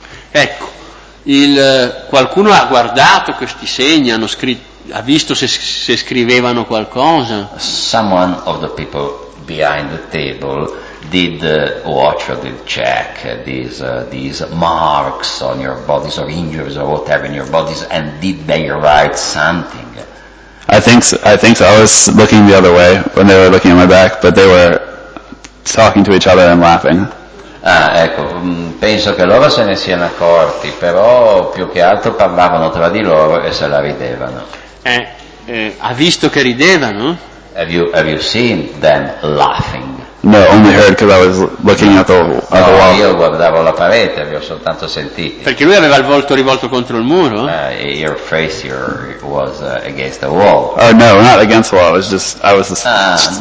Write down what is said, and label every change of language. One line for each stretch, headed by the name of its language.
Italian: Ecco, qualcuno ha guardato questi segni, ha visto se scrivevano qualcosa.
English: Someone of the people behind the table did watch or did check these marks on your bodies or injuries or whatever in your bodies, and did they write something? I think so. I was looking the other way when they were looking at my back, but they were talking to each other and laughing.
Italian: Ah, ecco, penso che loro se ne siano accorti, però più che altro parlavano tra di loro e se la ridevano. Ha visto che ridevano?
English: Have you seen them laughing? No, only heard because I was looking at the wall.
Italian: Io guardavo la parete, avevo soltanto sentito. Perché lui aveva il volto rivolto contro il muro.
English: Your face your was against the wall. Oh no, not against the wall. It was just I was.